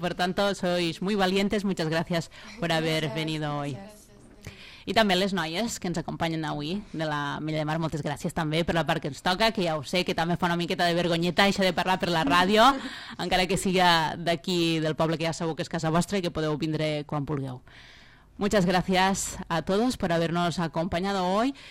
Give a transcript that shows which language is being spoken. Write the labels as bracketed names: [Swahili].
[Spanish] Por tanto, sois muy valientes. Muchas gracias por haber venido hoy. [Catalan] I també les noies que ens acompanyen avui de la Milla de Mar, moltes gràcies també per la part que ens toca, que ja ho sé, que també fa una miqueta de vergonyeta això de parlar per la ràdio, encara que sigui d'aquí del poble, que ja segur que és casa vostra i que podeu vindre quan vulgueu. [Spanish] Muchas gracias a todos por habernos acompañado hoy.